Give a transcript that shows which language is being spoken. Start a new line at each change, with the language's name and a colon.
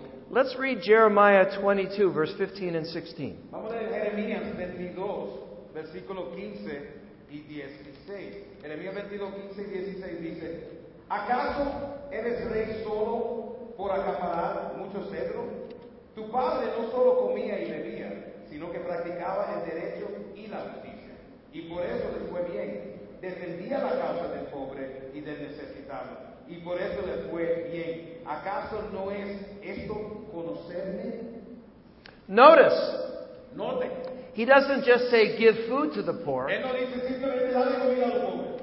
English: Let's read Jeremiah 22, verse 15 and 16.
Spanish: Vamos a leer Jeremías 22, versículo 15 y 16. Jeremías 22, 15 y 16 dice, ¿acaso eres rey solo por acaparar mucho cedro? Tu padre no solo comía y bebía, sino que practicaba el derecho y la justicia. Y por eso le fue bien. Defendía la causa del pobre y del necesitado. Y por eso le fue bien. ¿Acaso no es esto conocerme?
English: Notice. Note. He doesn't just say give food to the poor.
Spanish: Él no dice simplemente dale comida a los pobres.